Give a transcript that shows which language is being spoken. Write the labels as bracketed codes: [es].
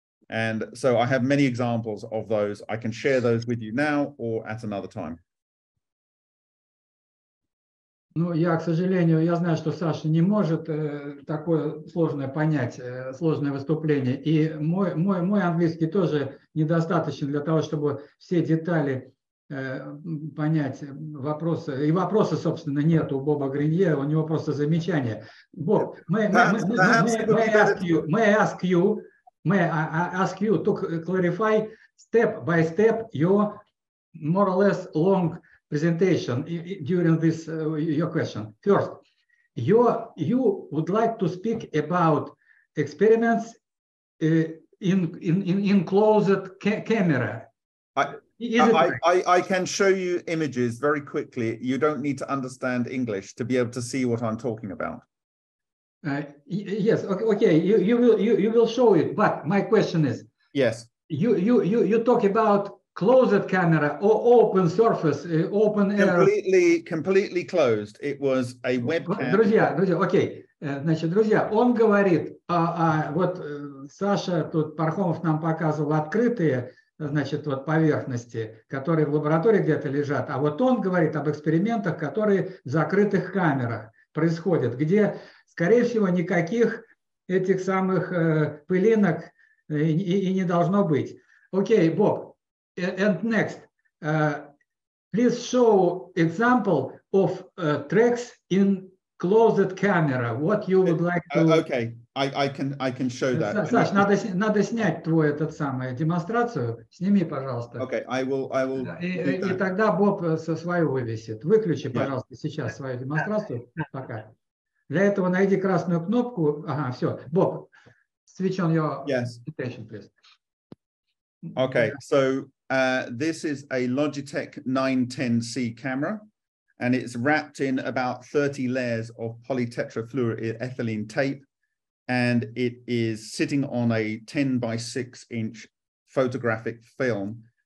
[en] And so I have many examples of those. I can share those with you now or at another time. [ru] Ну, я, к сожалению, я знаю, что Саша не может такое сложное понять, сложное выступление. И мой английский тоже недостаточен для того, чтобы все детали понять вопросы. И вопроса, собственно, нет у Боба Гринье, у него просто замечание. [en] Боб, may I ask you to clarify step by step your more or less long presentation during this your question. First, you would like to speak about experiments in closed camera. I can show you images very quickly. You don't need to understand English to be able to see what I'm talking about. Yes. Okay. You will show it. But my question is. Yes. You talk about closed camera or open surface, open air. Completely closed. It was a webcam. [ru] Друзья, окей. Значит, друзья, он говорит, вот Саша тут Пархомов нам показывал открытые, значит, вот поверхности, которые в лаборатории где-то лежат, а вот он говорит об экспериментах, которые в закрытых камерах происходят, где, скорее всего, никаких этих самых пылинок и не должно быть. Окей, Боб. [en] And next, please show example of tracks in closed camera. What you would like to? Okay, I can show that. [ru] Саш, надо снять твой этот самый демонстрацию. Сними, пожалуйста. [en] Okay, I will. [ru] И тогда Боб со свою вывесит. Выключи, yeah. Пожалуйста, сейчас свою демонстрацию. Пока. Для этого найди красную кнопку. Ага, все. [en] Боб, switch on your attention, please. Okay, so this is a Logitech 910C camera, and it's wrapped in about 30 layers of polytetrafluoroethylene tape, and it is sitting on a 10 by 6 inch photographic film.